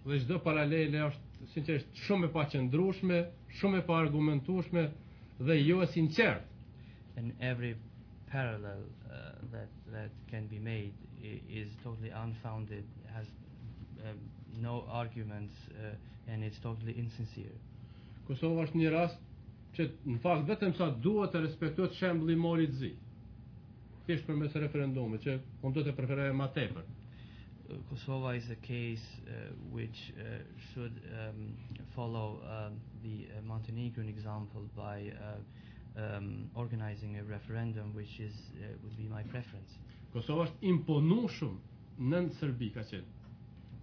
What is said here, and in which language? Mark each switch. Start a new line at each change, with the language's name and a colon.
Albanian: Dhe çdo paralele është sinqerisht shumë e paqëndrueshme, shumë e paargumentueshme dhe jo e sinqertë.
English: And every parallel that can be made is totally unfounded, has no arguments and it's totally insincere.
Albanian: Kosova është një rast që në fakt vetëm sa duhet të respektohet shembulli i morit zi. Thjesht përmes referendumit që unë do të preferoj më tepër.
English: Kosova is a case which should follow the Montenegrin example by organizing a referendum, which is would be my preference.
Albanian: Kosova është imponueshëm nën Serbi, ka qenë.